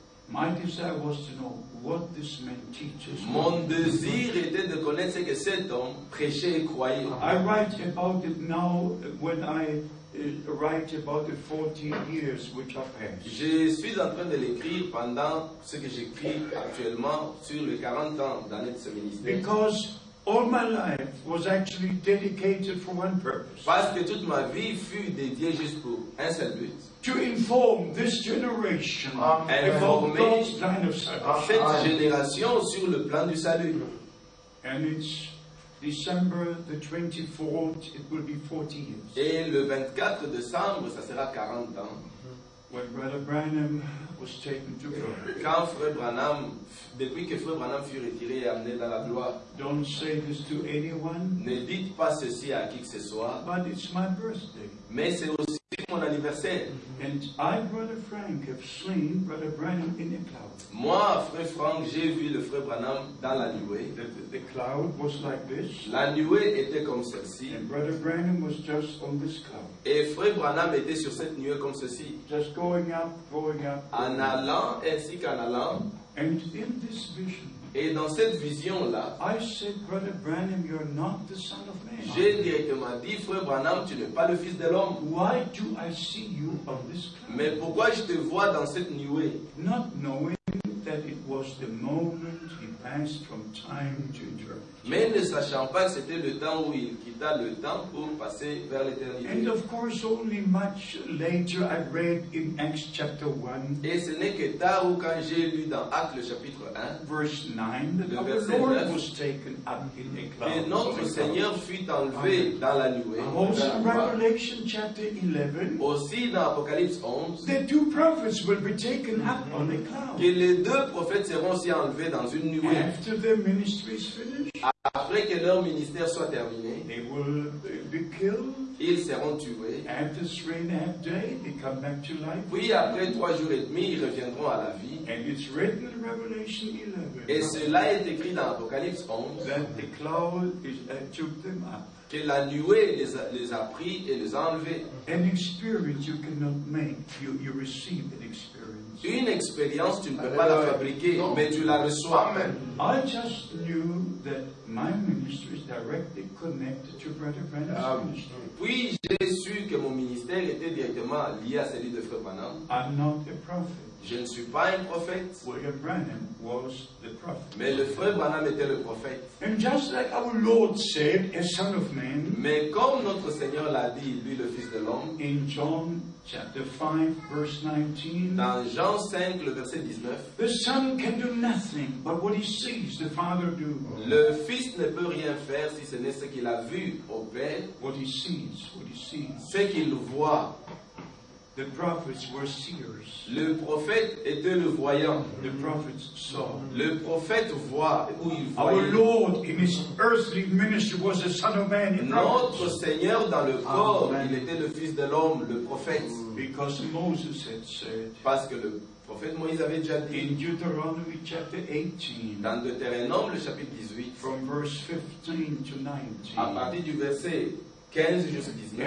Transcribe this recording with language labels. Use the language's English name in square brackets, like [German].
[English] My desire was to know what this man teaches. [French] Mon désir était de connaître ce que cet homme prêchait et croyait. [English] I write about it now when I write about the 14 years which have passed. [French] Je suis en train de l'écrire pendant ce que j'écris actuellement sur les 40 ans d'année de ce ministère. [English] Because all my life was actually dedicated for one purpose. [French] Parce que toute ma vie fut dédiée juste pour un seul but. [English] To inform this generation [French] cette génération sur le plan du salut. [English] And it's December the 24th, it will be 40 years. [French] Et le 24 décembre, ça sera 40 ans. [English] When Brother Branham was taken to glory. [French] Quand Frère Branham, depuis que Frère Branham fut retiré et amené dans la gloire, [English] don't say this to anyone. [French] Ne dites pas ceci à qui que ce soit. [English] But it's my birthday. [French] Mais c'est aussi mon anniversaire. [English] And I, Brother Frank, have seen Brother Branham in a cloud. [French] Moi, Frère Frank, j'ai vu le Frère Branham dans la nuée. [English] The cloud was like this. [French] La nuée était comme celle-ci. [English] And Brother Branham was just on this cloud. [French] Et Frère Branham était sur cette nuée comme ceci. [English] Just going up. [French] En allant ainsi qu'en allant. [English] And in this vision. [French] Et dans cette vision-là, [English] I said, Brother Branham, you're not the son of man. [French] J'ai directement dit, Frère Branham, tu n'es pas le fils de l'homme. [English] Why do I see you on this cloud? [French] Mais pourquoi je te vois dans cette nuée? [English] Not knowing that it was the moment he passed from time to eternity. [French] Mais ne sachant pas que c'était le temps où il quitta le temps pour passer vers l'éternité. [English] And of course, only much later I read in Acts chapter 1. [French] Et ce n'est que tard où quand j'ai lu dans Actes le chapitre 1, [English] verse 9, the Lord was taken up in a cloud. [French] Que notre Seigneur fut enlevé dans la nuée. [English] Also in Revelation chapter 11. [French] Aussi dans Apocalypse 11. [English] The two prophets will be taken up on a cloud. [French] Que les deux prophètes seront aussi enlevés dans une nuée. [English] After their ministry is finished. [French] Après que leur ministère soit terminé, [English] they will be killed. [French] Ils seront tués. [English] After 3.5 days, they come back to life. [French] Puis après 3 jours et demi, ils reviendront à la vie. [English] And it's written in Revelation 11. [French] Et cela est écrit dans Apocalypse 11. [English] That the cloud is, took them up. [French] Que la nuée les a pris et les a enlevés. [English] An experience you cannot make. You receive an experience. [French] Une expérience, tu ne peux pas la fabriquer, non. Mais tu la reçois. Amen. [English] I just knew that my ministry is directly connected to Brother Branham's ministry. [French] Puis j'ai su que mon ministère était directement lié à celui de Frère Branham. [English] I'm not a prophet. [French] Je ne suis pas un prophète. [English] William Branham was the prophet. [French] Mais le Frère Branham était le prophète. [English] And just like our Lord said, a son of man. [French] Mais comme notre Seigneur l'a dit, lui le Fils de l'homme. [English] In John chapter 5, verse 19. [French] Dans Jean 5, le verset 19. [English] The son can do nothing but what he sees the father do. [French] Le Fils ne peut rien faire si ce n'est ce qu'il a vu au Père. [English] What he sees. [French] Ce qu'il voit. [English] The prophets were seers. [French] Le prophète était le voyant. [English] The prophets saw. [French] Le prophète voit où il voit. [English] Our Lord in his earthly ministry was the Son of Man. [French] Notre Seigneur dans le corps, il était le Fils de l'homme, le prophète. [English] Because Moses had said. [French] Parce que le prophète Moïse avait déjà dit. [English] In Deuteronomy chapter 18. [French] Dans Deutéronome le chapitre 18. [English] From verse 15 to 19. [French] À partir du verset 15 jusqu'à 19.